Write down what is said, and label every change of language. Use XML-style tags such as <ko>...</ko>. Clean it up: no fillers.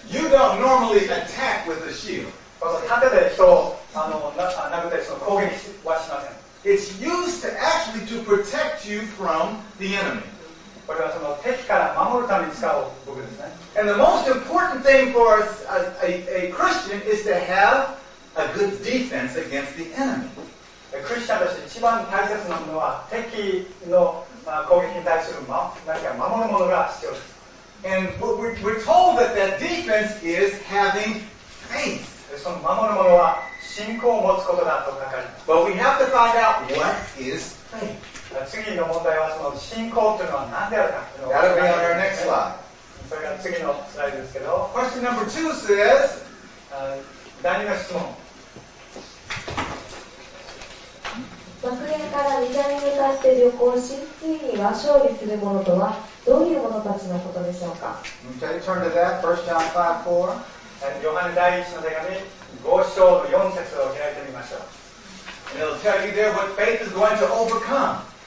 <en>You don't normally attack with a shield.</en> <ja>この盾で人を殴ったり攻撃はしません。</ja> <en>It's used to actually to protect you from the enemy.</en> <ja>これはその敵から守るために使う武具ですね。</ja> <en>And the most important thing for us as a Christian is to have a good defense against the enemy.</en> <ja>クリスチャンとして一番大切なものは敵の攻撃に対する守るものが必要です。</ja> <en>And we're told that that defense is having faith.</en> <ja>その守るものは信仰を持つことだと書かれています。</ja> <en>But we have to find out what is faith.</en> <ja>次の問題はその信仰というのは何であるかというの</ja> <en>を That'll be on our next slide.</en> <ja>それが次のスライドですけど</ja> <en>Question number two says</en> <ja>第二の質問爆炎から南に向かって旅行しついには勝利するものとはどういうものたちのことでしょうか</ja> <en>Okay, turn to that. First John 5:4</en> <ja>ヨハネ第一の手紙5章の4節を開いてみましょう</ja> <en>And it'll tell you there what faith is going to overcome.</en>